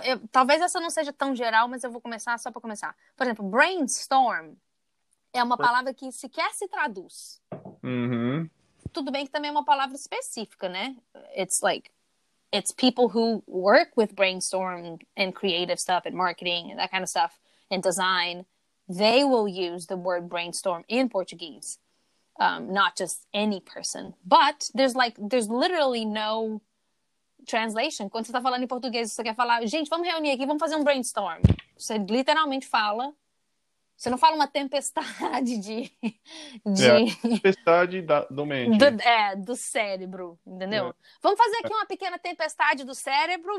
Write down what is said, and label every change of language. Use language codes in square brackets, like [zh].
[pt] Talvez essa não seja tão geral, mas eu vou começar só para começar. Por exemplo, brainstorm é uma palavra que sequer se traduz. Tudo bem que também é uma palavra específica, né? [en] It's people who work with brainstorm and creative stuff and marketing and that kind of stuff and design. They will use the word brainstorm in Portuguese, not just any person. But there's literally no translation. [pt] Quando você está falando em português, você quer falar, gente, vamos reunir aqui, vamos fazer um brainstorm. Você literalmente fala. Você não fala uma tempestade Tempestade do mente. Do cérebro, entendeu? Vamos fazer aqui uma pequena tempestade do cérebro?